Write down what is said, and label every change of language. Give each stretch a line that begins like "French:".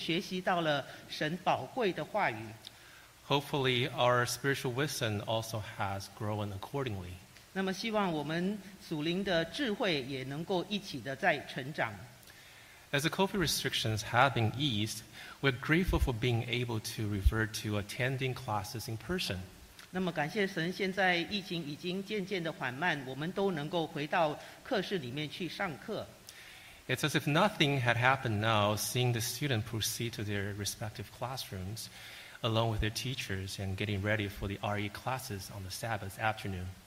Chinese: 那么在过去的一年当中，我们也学习到了神宝贵的话语。
English: Hopefully, our spiritual wisdom also has grown accordingly.
Chinese: 那么希望我们属灵的智慧也能够一起的在成长。
English: As the COVID restrictions have been eased, we're grateful for being able to revert to attending classes in person.
Chinese: 那么感谢神，现在疫情已经渐渐的缓慢，我们都能够回到课室里面去上课。
English: It's as if nothing had happened now, seeing the students proceed to their respective classrooms along with their teachers and getting ready for the RE classes on the Sabbath afternoon.